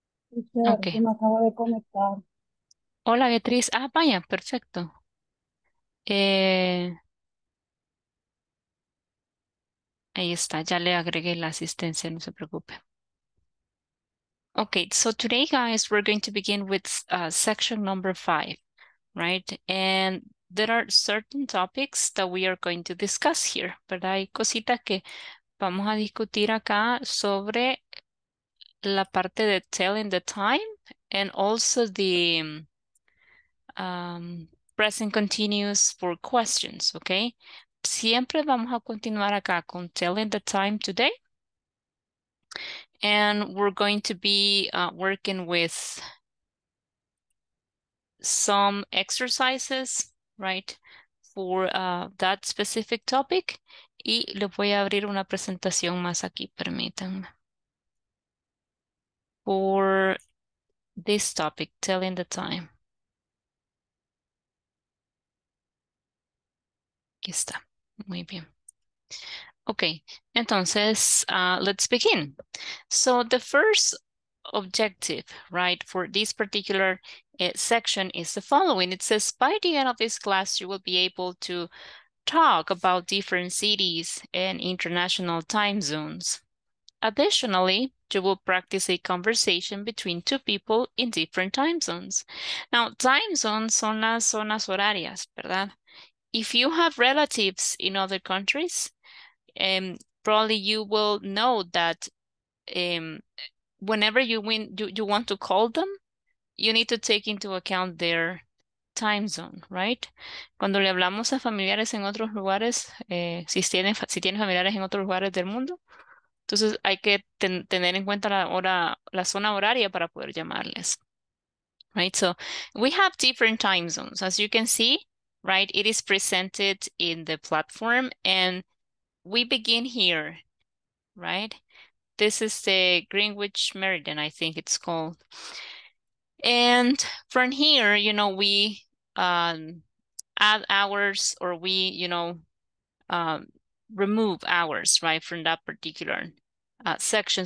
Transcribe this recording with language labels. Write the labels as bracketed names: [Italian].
[Spanish] Sí, okay. Me acabo de conectar. Hola, Beatriz. Ah, vaya, perfecto. Ahí está, ya le agregué la asistencia, no se preocupe. [English] Okay, so today, guys, we're going to begin with section number 5, right? And there are certain topics that we are going to discuss here, ¿verdad? [Spanish] Hay cositas que vamos a discutir acá sobre la parte de [English] telling the time and also the present continuous for questions, okay? [Spanish] Siempre vamos a continuar acá con telling the time today. [English] And we're going to be working with some exercises, right, for that specific topic. [Spanish] Y le voy a abrir una presentación más aquí, permítanme. [English] for this topic, telling the time. [Spanish] Aquí está. Muy bien. Okay, entonces, [English] let's begin. So the first objective, right, for this particular section is the following. It says, by the end of this class, you will be able to talk about different cities and international time zones. Additionally, you will practice a conversation between two people in different time zones. Now, time zones [Spanish] son las zonas horarias, ¿verdad? [English] If you have relatives in other countries, probably you will know that whenever you want to call them, you need to take into account their time zone, right? [Spanish] Cuando le hablamos a familiares en otros lugares, si tienen familiares en otros lugares del mundo, entonces hay que tener en cuenta la zona horaria para poder llamarles, right? [English] So we have different time zones, as you can see, right? It is presented in the platform and we begin here, right? This is the Greenwich Meridian, I think it's called. And from here, you know, we add hours or we, you know, remove hours, right, from that particular section.